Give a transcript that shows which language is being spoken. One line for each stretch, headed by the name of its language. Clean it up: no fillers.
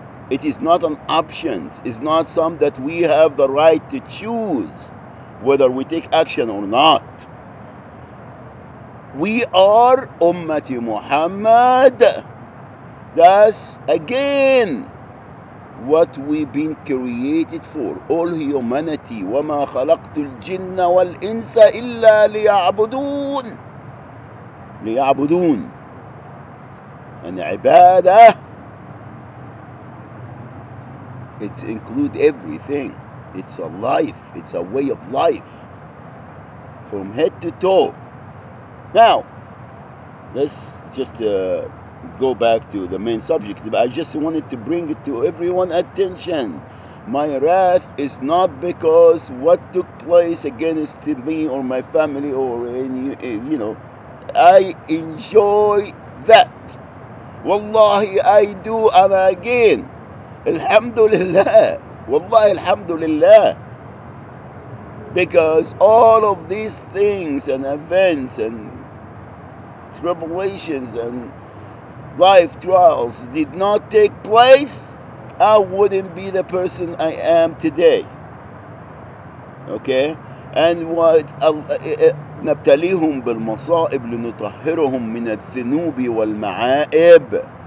English: It is not an option. It's not something that we have the right to choose whether we take action or not. We are Ummati Muhammad. That's again what we've been created for. All humanity.
Arabic: وَمَا خَلَقْتُ الْجِنَّ وَالْإِنسَ إِلَّا لِيَعْبُدُونَ لِيَعْبُدُونَ
English: and ibadah. It includes everything. It's a life. It's a way of life. From head to toe. Now, let's just go back to the main subject. But I just wanted to bring it to everyone's attention. My wrath is not because what took place against me or my family or any, you know. I enjoy that. Wallahi, I do. And again, Alhamdulillah. Wallahi, Alhamdulillah. Because all of these things and events and tribulations and life trials did not take place, I wouldn't be the person I am today. Okay? And what
Arabic: نبتليهم بالمصائب لنطهرهم من الذنوب والمعائب.